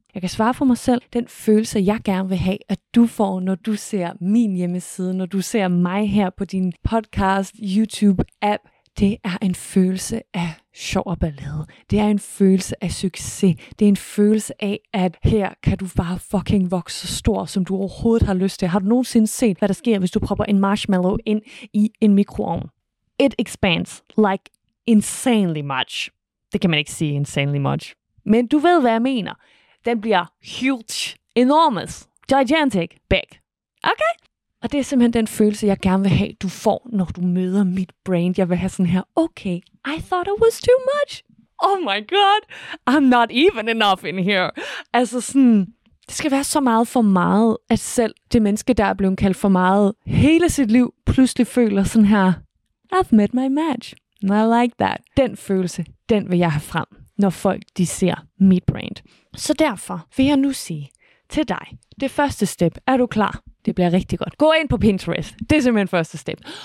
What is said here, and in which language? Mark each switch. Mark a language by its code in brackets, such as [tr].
[da] Jeg kan svare for mig selv, den følelse, jeg gerne vil have, at du får, når du ser min hjemmeside, når du ser mig her på din podcast, YouTube-app, det er en følelse af sjov og ballade. Det er en følelse af succes. Det er en følelse af, at her kan du bare fucking vokse så stor, som du overhovedet har lyst til. Har du nogensinde set, hvad der sker, hvis du propper en marshmallow ind i en mikroovn? [en] It expands like insanely much. [da] Det kan man ikke sige insanely much. Men du ved, hvad jeg mener. Den bliver [en] huge, enormous, gigantic, big. [da] Okay? Og det er simpelthen den følelse, jeg gerne vil have, du får, når du møder mit brand. Jeg vil have sådan her, [en] okay, I thought it was too much. Oh my god, I'm not even enough in here. [da] Altså sådan, det skal være så meget for meget, at selv det menneske, der er blevet kaldt for meget hele sit liv, pludselig føler sådan her, [en] I've met my match, and I like that. [da] Den følelse, den vil jeg have frem, når folk de ser mit brand. Så derfor vil jeg nu sige til dig, det første step, er du klar? Det bliver rigtig godt. Gå ind på Pinterest. Det er simpelthen første step.